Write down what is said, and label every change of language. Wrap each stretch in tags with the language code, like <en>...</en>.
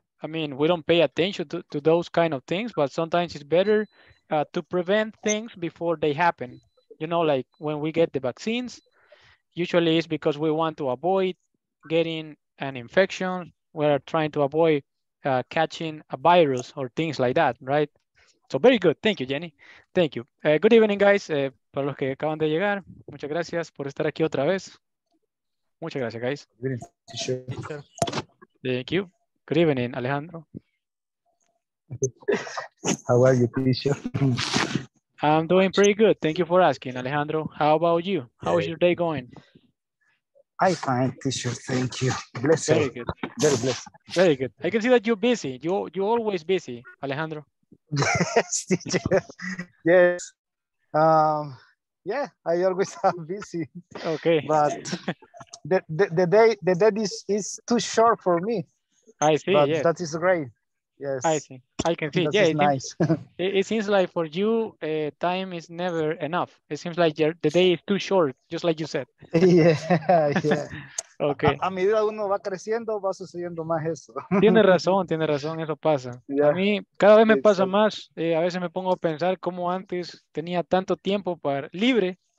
<en>I mean, we don't pay attention to those kind of things, but sometimes it's better to prevent things before they happen. You know, like when we get the vaccines, usually it's because we want to avoid getting an infection. We're trying to avoid catching a virus or things like that, right? So very good. Thank you, Jenny. Thank you. Good evening, guys.</en> <es>Para los que acaban de llegar, muchas gracias por estar aquí otra vez. Muchas gracias,</es> <en>guys. Thank you. Good evening, Alejandro. How are you, teacher? I'm doing pretty good. Thank you for asking, Alejandro. How about you? How is your day going? I'm fine, teacher. Thank you. Blessed. Very good. Very blessed. Very good. I can see that you're busy. You're always busy, Alejandro. Yes, teacher. Yes. Yeah, I always have busy. Okay. But the day is too short for me. I see. But yes. That is great. Yes. I see. I can see. That yeah, is nice. It seems like for you, time is never enough. It seems like the day is too short, just like you said. Yeah. Yeah. Okay.</en> <es>A medida uno va creciendo, va sucediendo más eso. Tiene razón, tiene razón. Eso pasa.</es> <en>Yeah.</en> <es>A mí, cada vez me pasa más. A veces me pongo a pensar cómo antes tenía tanto tiempo para libre.</es>